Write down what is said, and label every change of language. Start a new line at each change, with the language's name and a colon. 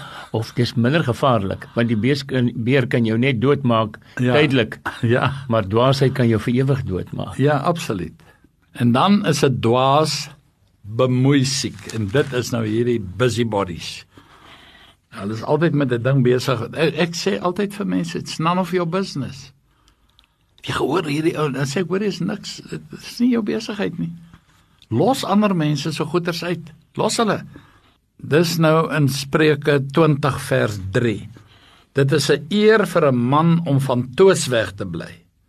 Afrikaans: Of dis minder gevaarlik, want die beer kan jou net doodmaak, ja, tydelik. Ja. Maar dwaasheid kan jou vir ewig doodmaak. Ja, absoluut. En dan is 'n dwaas bemoeisiek. En dit is nou hierdie busybodies. Hulle is altyd met die ding besig. Ek sê altyd vir mense,
English: it's none of your business.
Afrikaans: Jy gehoor hierdie ou, dan sê ek, hoor, is niks, het is nie jou besigheid nie. Los ander mense so goeders uit, los hulle. Dis nou in Spreuke 20 vers 3. Dit is 'n eer vir 'n man om van toos weg te bly.